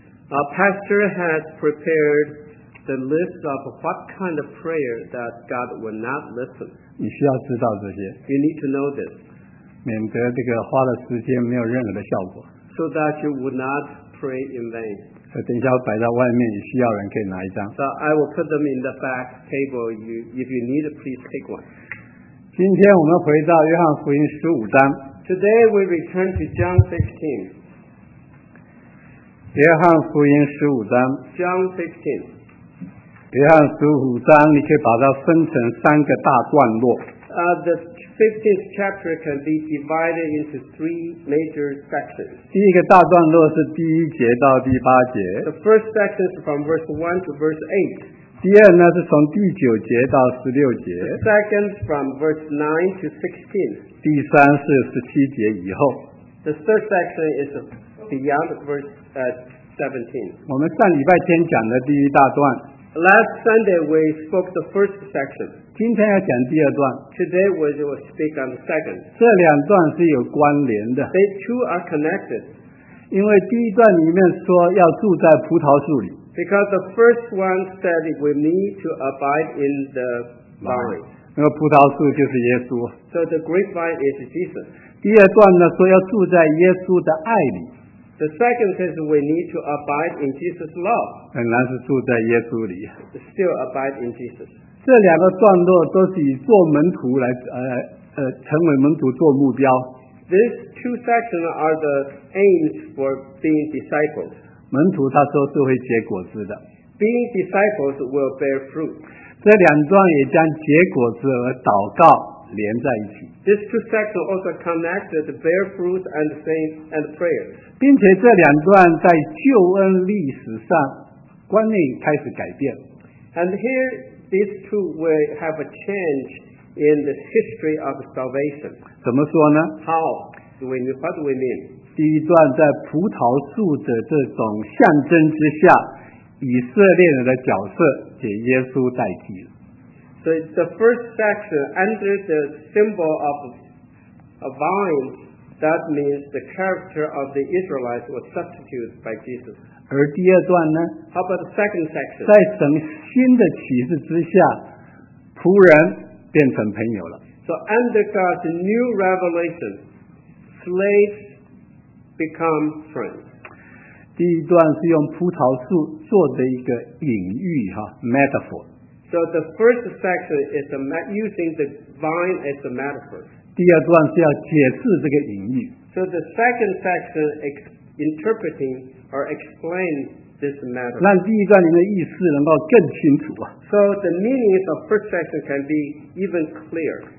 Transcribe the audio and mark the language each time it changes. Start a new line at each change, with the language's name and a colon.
English: Pastor has prepared. The list of what kind of prayer that God will not listen.
Chinese: 你需要知道这些。
English: You need to know this.
Chinese: 免得这个花了时间没有任何的效果。
English: So that you would not pray in vain.
Chinese: 等一下摆在外面，你需要人可以拿一张。
English: So I will put them in the back table. You, if you need, please take one.
Chinese: 今天我们回到约翰福音十五章。
English: Today we return to John 16.
Chinese: 约翰福音十五章。
English: John 16.
Chinese: 约翰十五章，你可以把它分成三个大段落。
English: The 15th chapter can be divided into three major sections.
Chinese: 第一个大段落是第一节到第八节。
English: The first section is from verse 1 to verse 8.
Chinese: 第二呢是从第九节到十六节。
English: The second from verse 9 to 16.
Chinese: 第三是十七节以后。
English: The third section is beyond verse 17.
Chinese: 我们上礼拜天讲的第一大段。
English: Last Sunday we spoke the first section.
Chinese: 今天要讲第二段。
English: Today we will speak on the second.
Chinese: 这两段是有关联的。
English: They two are connected.
Chinese: 因为第一段里面说要住在葡萄树里。
English: Because the first one said we need to abide in the vine.
Chinese: 那个葡萄树就是耶稣。
English: So the grapevine is Jesus.
Chinese: 第二段呢说要住在耶稣的爱里。
English: The second says we need to abide in Jesus' love.
Chinese: 仍然是住在耶稣里。
English: Still abide in Jesus.
Chinese: 这两个段落都是以做门徒来成为门徒做目标。
English: These two sections are the aims for being disciples.
Chinese: 门徒他说是会结果子的。
English: Being disciples will bear fruit.
Chinese: 这两段也将结果子和祷告连在一起。
English: These two sections also connect the bear fruit and faith and prayers.
Chinese: 并且这两段在救恩历史上观念开始改变。
English: And here these two will have a change in the history of salvation.
Chinese: 怎么说呢？
English: How? Do we mean? What do we mean?
Chinese: 第一段在葡萄树的这种象征之下，以色列人的角色给耶稣代替了。
English: So the first section under the symbol of a vine. That means the character of the Israelites was substituted by Jesus.
Chinese: 而第二段呢?
English: How about the second section?
Chinese: 在神新的启示之下，仆人变成朋友了。
English: So under God's new revelation, slaves become friends.
Chinese: 第一段是用葡萄树做的一个隐喻哈 ,metaphor.
English: So the first section is using the vine as a metaphor.
Chinese: 第二段是要解释这个隐喻。
English: So the second section interpreting or explain this matter.
Chinese: 让第一段里面的意思能够更清楚啊。
English: So the meanings of first section can be even clearer.